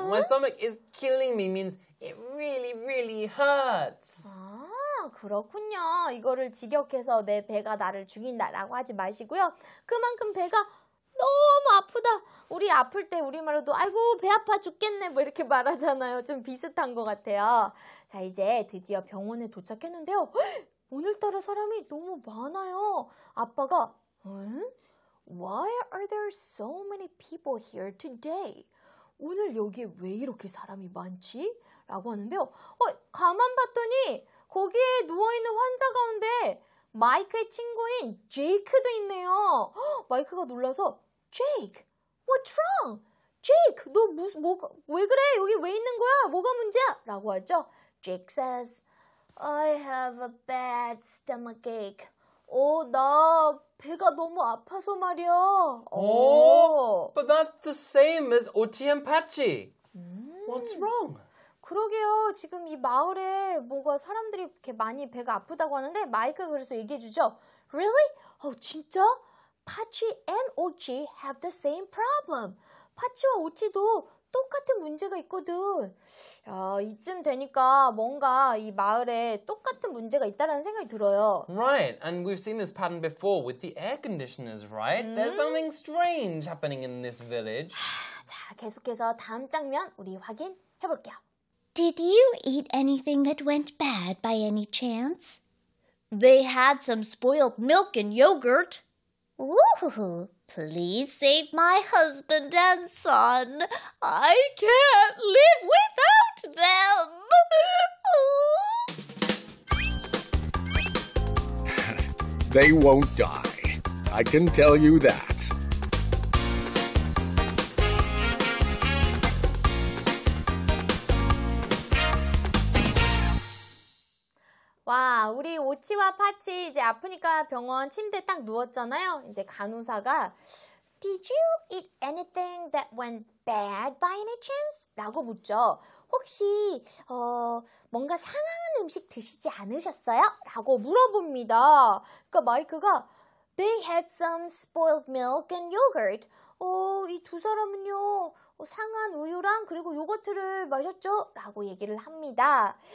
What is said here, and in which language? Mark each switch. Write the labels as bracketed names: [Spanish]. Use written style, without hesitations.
[Korean] 응? [English] My stomach is killing me means it really, really hurts. [Korean] 아, 그렇군요. 이거를 직역해서 내 배가 나를 죽인다라고 하지 마시고요. 그만큼 배가 너무 아프다. 우리 아플 때 우리말로도 아이고 배 아파 죽겠네 뭐 이렇게 말하잖아요. 좀 비슷한 것 같아요. 자, 이제 드디어 병원에 도착했는데요. 오늘따라 사람이 너무 많아요. 아빠가 [English] Why are there so many people here today? [Korean] 오늘 여기에 왜 이렇게 사람이 많지? 라고 하는데요. 가만 봤더니 거기에 누워있는 환자 가운데 마이크의 친구인 제이크도 있네요. 마이크가 놀라서 [English] Jake, what's wrong? [Korean] Jake, 너 왜 그래? 여기 왜 있는 거야? 뭐가 문제야? 라고 하죠. [English] Jake says, I have a bad stomach ache. [Korean] 나 배가 너무 아파서 말이야. [English] But that's the same as OTM 파치. What's wrong? [Korean] 그러게요. 지금 이 마을에 뭐가 사람들이 이렇게 많이 배가 아프다고 하는데 마이크가 그래서 얘기해 주죠. [English] Really? [Korean] 진짜? [English] 파치 and 오치 have the same problem. [Korean] 파치와 오치도 똑같은 문제가 있거든. 야, 이쯤 되니까 뭔가 이 마을에 똑같은 문제가 있다라는 생각이 들어요. [English] Right, and we've seen this pattern before with the air conditioners, right? Mm. There's something strange happening in this village. [Korean] 자, 계속해서 다음 장면 우리 확인해볼게요. [English] Did you eat anything that went bad by any chance? They had some spoiled milk and yogurt. Ooh, please save my husband and son. I can't live without them. They won't die. I can tell you that. [Korean] Wow, 우리 오치와 파치 이제 아프니까 병원 침대 딱 누웠잖아요. 이제 간호사가 [English] Did you eat anything that went bad by any chance? [Korean] 라고 묻죠. 혹시 뭔가 상한 음식 드시지 않으셨어요? 라고 물어봅니다. 그러니까 마이크가 [English] They had some spoiled milk and yogurt. [Korean] 이 두 사람은요. 상한 우유랑 그리고 요거트를 마셨죠? 라고 얘기를 합니다.